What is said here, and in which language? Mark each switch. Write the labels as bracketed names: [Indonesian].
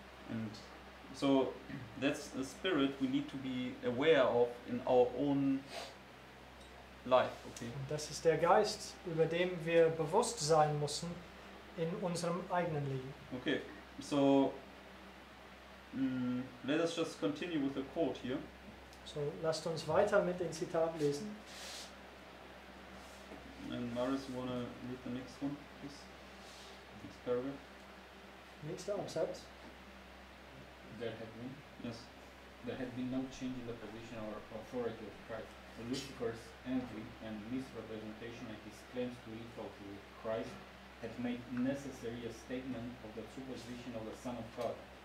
[English] And so that's a spirit we need to be aware of in our own life. Okay. [German] Und das ist der Geist, über dem wir bewusst sein müssen in unserem eigenen Leben. [English] Okay, so let us just continue with the quote here. [German] So lasst uns weiter mit dem Zitat lesen. [English] And Maris, you wanna read the next one, please? [German] Nächster Absatz. [English] There had been no change in the position or authority of Christ. Lucifer's envy and misrepresentation and his claims to equal to Christ had made necessary a statement of the supposition of the Son of God.